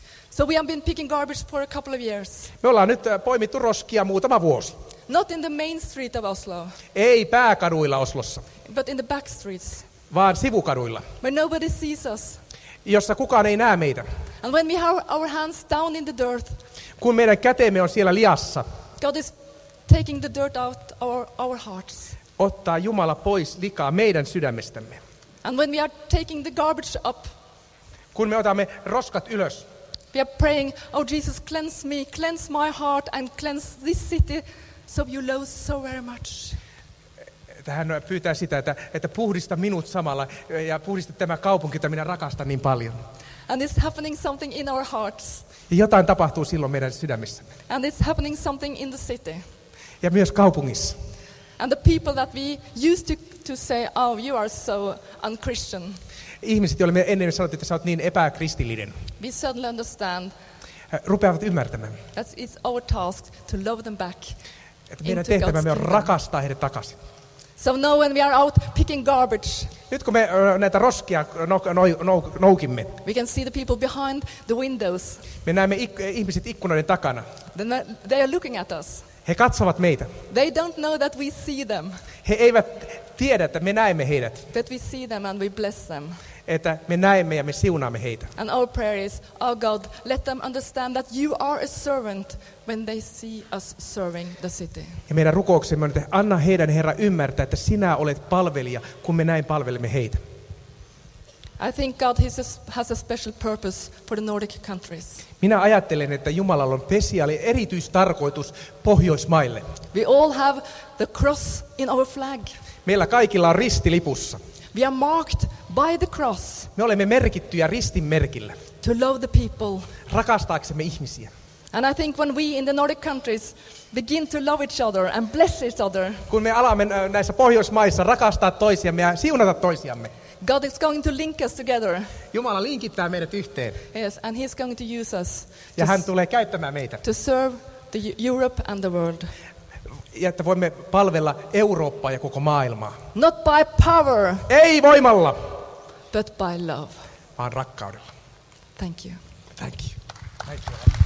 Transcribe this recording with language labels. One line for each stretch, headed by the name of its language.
English: So we have been picking garbage for a couple of years.
Finnish: Me ollaan nyt poimittu roskia muutama vuosi.
English: Not in the main street of Oslo.
Finnish: Ei pääkaduilla Oslossa.
English: But in the back streets.
Finnish: Vaan sivukaduilla.
English: Where nobody sees us.
Finnish: Jossa kukaan ei näe meitä.
English: And when we have our hands down in the dirt.
Finnish: Kun meidän kätemme on siellä liassa.
English: God is taking the dirt out of our hearts.
Finnish: Ottaa Jumala pois likaa meidän sydämestämme.
English: And when we are taking the garbage up.
Finnish: Kun me otamme roskat ylös.
English: We are praying, oh Jesus, cleanse me, cleanse my heart and cleanse this city so you love so very much.
Finnish: Tähän pyytää sitä, että puhdista minut samalla ja puhdista tämä kaupunki, jota minä rakastan niin paljon.
English: And it's happening something in our hearts.
Finnish: Ja jotain tapahtuu silloin meidän sydämissämme.
English: And it's happening something in the city.
Finnish: Ja myös kaupungissa.
English: And the people that we used to say, oh, you are so unchristian.
Finnish: Ihmiset, joille me ennen sanottiin, että sä oot niin epäkristillinen.
English: We suddenly understand.
Finnish: Rupeavat ymmärtämään.
English: That it's our task to love them back.
Finnish: Että meidän tehtävämme on rakastaa heidät takaisin.
English: So now when we are out picking garbage.
Finnish: Nyt kun me näitä roskia noukimme.
English: We can see the people behind the windows.
Finnish: Me näemme ihmiset ikkunoiden takana.
English: Then they are looking at us.
Finnish: He katsovat meitä.
English: They don't know that we see them.
Finnish: He eivät tiedä, että me näemme heidät.
English: But we see them and we bless them.
Finnish: Että me näemme ja me siunaamme heitä.
English: And our prayer is, oh God, let them understand that you are a servant when they see us serving the city.
Finnish: Ja meidän rukouksemme on, että anna heidän Herra ymmärtää, että sinä olet palvelija, kun me näin palvelemme heitä.
English: I think God has a special purpose for the Nordic countries.
Finnish: Minä ajattelen, että Jumalalla on spesiaali erityistarkoitus Pohjoismaille.
English: We all have the cross in our flag.
Finnish: Meillä kaikilla on risti lipussa.
English: We are marked by the cross.
Finnish: Me olemme merkittyjä ristin merkillä.
English: To love the people.
Finnish: Rakastaaksemme ihmisiä.
English: And I think when we in the Nordic countries begin to love each other and bless each other.
Finnish: Kun me alamme näissä Pohjoismaissa rakastaa toisiamme ja siunata toisiamme.
English: God is going to link us together.
Finnish: Jumala linkittää meidät yhteen.
English: Yes, and he's going to use us.
Finnish: Ja hän tulee käyttämään meitä.
English: To serve the Europe and the world.
Finnish: Ja että voimme palvella Eurooppaa ja koko maailmaa.
English: Not by power.
Finnish: Ei voimalla.
English: But by love.
Finnish: Vaan rakkaudella.
English: Thank you. Thank you. Thank you.